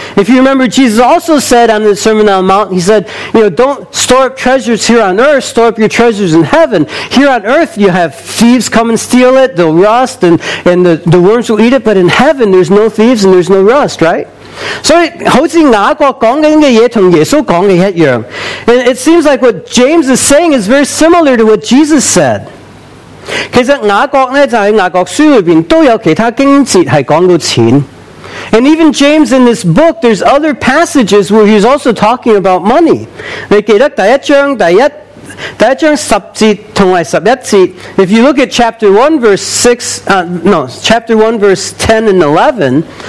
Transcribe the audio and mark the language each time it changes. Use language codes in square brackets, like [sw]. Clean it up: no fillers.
[en] If you remember, Jesus also said on the Sermon on the Mount, he said, you know, don't store up treasures here on earth, store up your treasures in heaven. Here on earth, you have thieves come and steal it, they'll rust, and the worms will eat it, but in heaven, there's no thieves and there's no rust, right? [yue] 所以好像雅各讲的东西跟耶稣讲的一样。 [en] It seems like what James is saying is very similar to what Jesus said. [yue] 其实雅各呢，就是雅各书里面都有其他经节是讲到钱。 [en] And even James in this book, there's other passages where he's also talking about money. [yue] 你记得第一章十节同埋十一节。 [en] If you look at chapter 1 verse 6, chapter 1 verse 10 and 11,